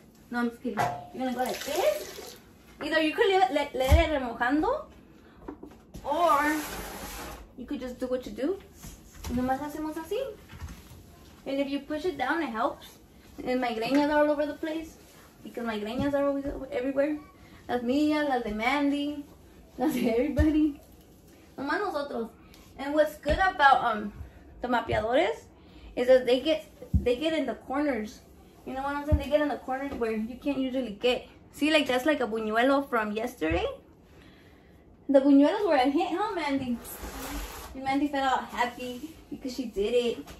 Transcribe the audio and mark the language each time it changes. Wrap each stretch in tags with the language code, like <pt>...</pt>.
<en>No, I'm just kidding. You're gonna go like this. Either you could let it remojando, or you could just do what you do.</en> <es>Nomás hacemos así.</es> <en>And if you push it down, it helps. And migrañas are all over the place, because migrañas are always everywhere.</en> <es>Las mías, las de Mandy, las de everybody. Nomás nosotros.</es> <en>And what's good about the mapeadores is that they get in the corners. You know what I'm saying? They get in the corners where you can't usually get. See, like, that's like a buñuelo from yesterday. The buñuelos were a hit, huh, Mandy? And Mandy felt all happy because she did it.</en>